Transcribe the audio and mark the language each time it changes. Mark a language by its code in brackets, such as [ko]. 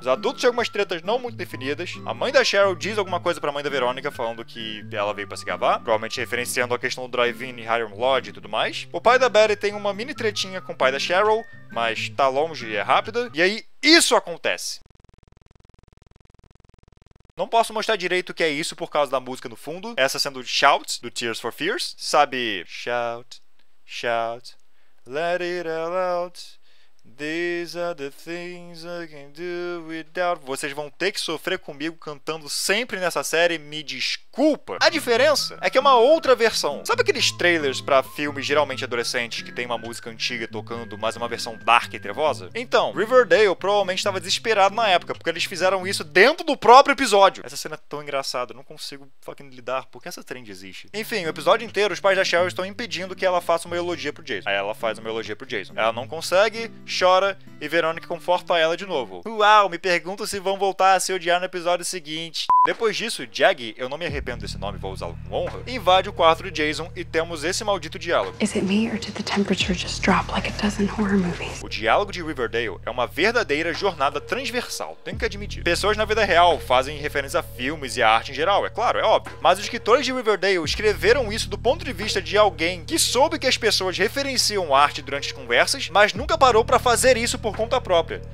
[pt] Os adultos têm algumas tretas não muito definidas. A mãe da Cheryl diz alguma coisa pra mãe da Verônica, falando que ela veio pra se gabar, provavelmente referenciando a questão do drive-in e Hiram Lodge e tudo mais. O pai da Barry tem uma mini tretinha com o pai da Cheryl, mas tá longe e é rápida. E aí, isso acontece! Não posso mostrar direito o que é isso por causa da música no fundo. Essa sendo Shout, do Tears for Fears. Sabe... [en] Shout, shout, let it all out, These are the things I can do without. [pt] Vocês vão ter que sofrer comigo cantando sempre nessa série, me desculpa. A diferença é que é uma outra versão. Sabe aqueles trailers para filmes geralmente adolescentes que tem uma música antiga tocando, mas é uma versão dark e trevosa? Então, Riverdale provavelmente estava desesperado na época, porque eles fizeram isso dentro do próprio episódio. Essa cena é tão engraçada, eu não consigo fucking lidar, por que essa trend existe? Enfim, o episódio inteiro, os pais da Cheryl estão impedindo que ela faça uma elogia pro Jason. Aí ela faz uma elogia pro Jason. Ela não consegue, chora e Veronica conforta ela de novo. Uau, me pergunto se vão voltar a se odiar no episódio seguinte. Depois disso, Jag, eu não me arrependo desse nome, vou usá-lo com honra, invade o quarto de Jason e temos esse maldito diálogo. [en] Is it me or did the temperature just drop like it does in horror movies? [pt] O diálogo de Riverdale é uma verdadeira jornada transversal, tenho que admitir. Pessoas na vida real fazem referência a filmes e a arte em geral, é claro, é óbvio. Mas os escritores de Riverdale escreveram isso do ponto de vista de alguém que soube que as pessoas referenciam arte durante as conversas, mas nunca parou pra fazer isso por conta própria.